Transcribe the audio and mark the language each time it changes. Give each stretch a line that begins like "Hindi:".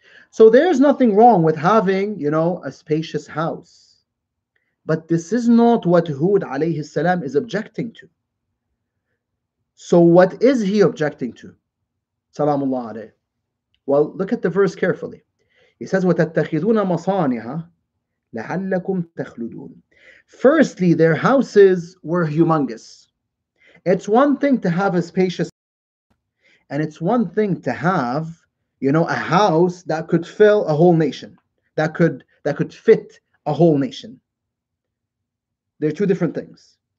English: So there's nothing wrong with having, you know, a spacious house. But this is not what Hud alayhi salam is objecting to. So what is he objecting to? Salaam Allah alayhi. Well, look at the verse carefully. He says,
Arabic: وَتَتَّخِذُونَ مَصَانِعَ لَعَلَّكُمْ تَخْلُدُونَ.
English: Firstly, their houses were humongous. It's one thing to have a spacious house, and it's one thing to have, you know, a house that could fill a whole nation, that could fit a whole nation. They're two different things.